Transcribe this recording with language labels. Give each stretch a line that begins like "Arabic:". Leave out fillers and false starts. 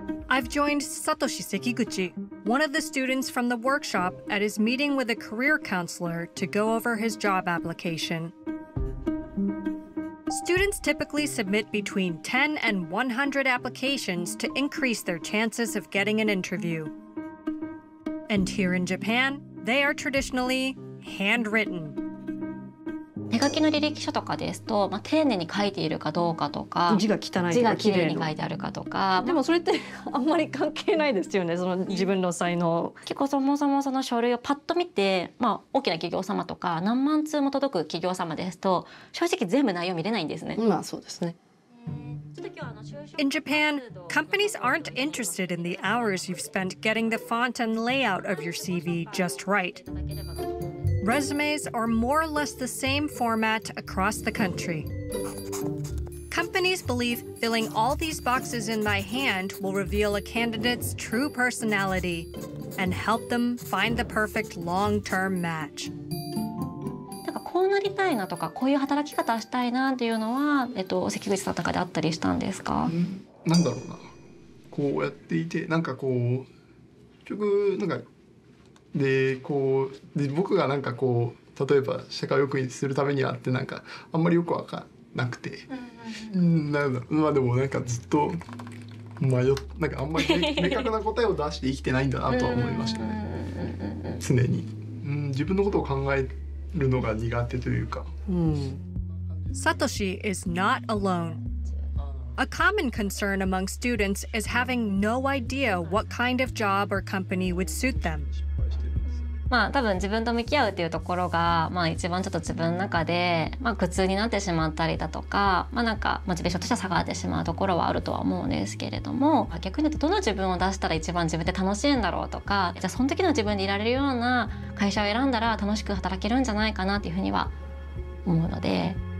English: I've joined Satoshi Sekiguchi, one of the students from the workshop, at his meeting with a career counselor to go over his job application. Students typically submit between 10 and 100 applications to increase their chances of getting an interview. And here in Japan, they are traditionally handwritten.
Japanese: 手書きの履歴書とかですと、まあ、丁寧に書いているかどうかとか、字が汚いとか、字が綺麗に書いてあるかとか、でもそれってあんまり関係ないですよね、その自分の才能。結構そもそもその書類をパッと見て、まあ、大きな企業様とか何万通も届く企業様ですと、正直全部内容見れないんですね。まあそうですね。
English: In Japan, companies aren't interested in the hours you've spent getting the font and layout of your CV just right. Resumes are more or less the same format across the country. Companies believe filling all these boxes in my hand will reveal a candidate's true personality and help them find the perfect long-term match.
Japanese: なんかこうなりたいなとか、こういう働き方したいなっていうのは、関口さんの中であったりしたんですか？なんだろうな。こうやっていて、なんかこう、結局なんか、でこうで僕がなんかこう例えば社会を良くするためにはってなんかあんまりよく分からなくて、なんまあでもなんかずっと迷っなんかあんまり明確な答えを出して生きてないんだなとは思いましたね。常に、自分のことを考えるのが苦手というか。
English: Satoshi is not alone. A common concern among students is having no idea what kind of job or company would suit them.
Japanese: まあ、多分自分と向き合うっていうところが、まあ、一番ちょっと自分の中で、まあ、苦痛になってしまったりだとか、まあ、なんかモチベーションとしては下がってしまうところはあるとは思うんですけれども、逆に言うとどの自分を出したら一番自分で楽しいんだろうとか、じゃあその時の自分でいられるような会社を選んだら楽しく働けるんじゃないかなっていうふうには思うので。